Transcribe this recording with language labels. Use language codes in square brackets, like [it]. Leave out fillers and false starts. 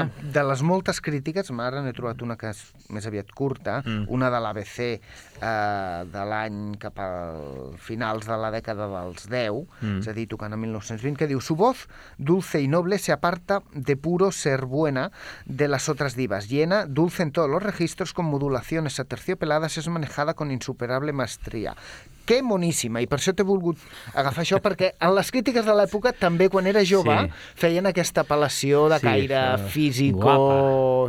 [ca] Sí, mira, de les moltes crítiques, ara n'he trobat una que és més aviat curta, una de l'ABC de l'any cap al finals de la dècada dels 10, és a dir, tocant a 1920, que diu: [es] "Su voz dulce y noble se aparta de puro ser buena de las otras divas. Llena, dulce en todos los registros, con modulaciones aterciopeladas, es manejada con insuperable maestría." [ca] Que moníssima, i per això t'he volgut agafar això, perquè en les crítiques de l'època, també quan era jove, feien aquesta apel·lació de caire físic o...